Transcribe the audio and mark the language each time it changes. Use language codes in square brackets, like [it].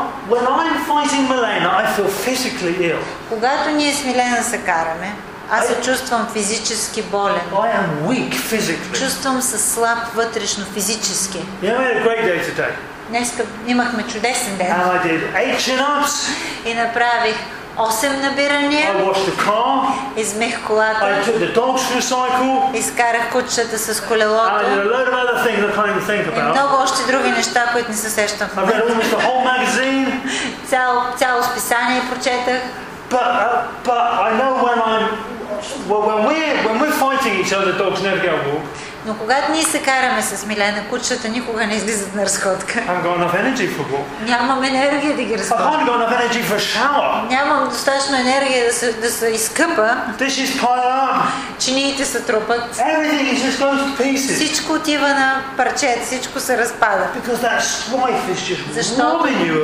[en] When I'm fighting Milena, I feel physically ill. [bg] Когато ние с Милена се караме, аз се чувствам физически болен. [en] I am weak physically. [bg] Чувствам се слаб вътрешно физически. [en] You had a great day today. [bg] Днес имахме чудесен ден. [en] And I did 8 chin-ups. [bg] И направих 8 набирания. [en] I washed the car. [bg] Измих колата. [en] I took the dogs for a cycle. [bg] Изкарах кучетата с колелото. [en] And I did a load of other things I can't even think about. [bg] И много още други неща, които не се сещам. [en] I read almost the whole magazine. [bg] Цяло списание прочетах. [en] But I know when we're fighting each other, dogs never get a walk. [bg] Но когато ние се караме с Милена, кучетата никога не излизат на разходка. [en] I've got enough energy for walk. [bg] Нямам енергия да ги разходя. [en] I've got enough energy for shower. [bg] Нямам достатъчно енергия да се изкъпа. [en] Dishes pile up. [bg] Чиниите се трупат. [en] Everything is just going to pieces. [bg] Всичко отива на парчета, всичко се разпада. [en] Because that strife is just robbing you of strength.